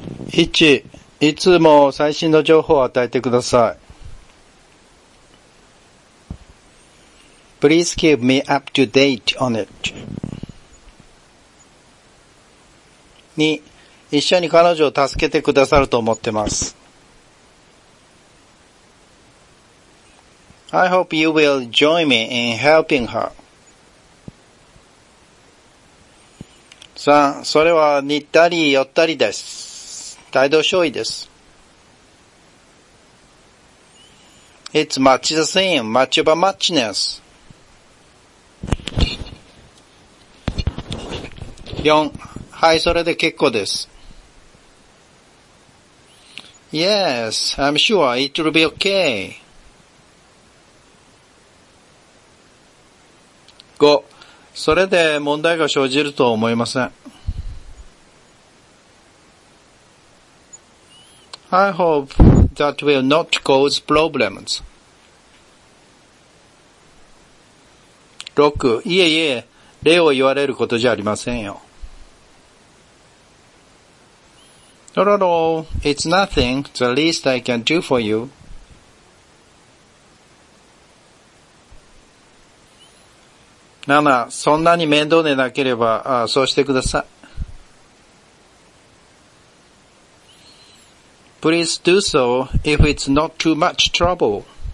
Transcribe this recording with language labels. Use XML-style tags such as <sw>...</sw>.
<ja>いつも最新の情報を与えてください。</ja> <en>Please keep me up to date on it. 2.</en> <ja>一緒に彼女を助けてくださると思ってます。</ja> <en>I hope you will join me in helping her. 3.</en> <ja>それは似たり寄ったりです。態度消費です。</ja> <en>It's much the same, much of a muchness.</en> <ja>4. はい、それで結構です。</ja> <en>Yes, I'm sure it will be okay. 5.</en> <ja>それで問題が生じるとは思いません。</ja> <en>I hope that will not cause problems. 6.</en> <ja>いえいえ、礼を言われることじゃありませんよ。</ja> <en>Not at all. It's nothing. The least I can do for you. 7.</en> <ja>そんなに面倒でなければ、そうしてください。</ja> <en>Please do so if it's not too much trouble.</en>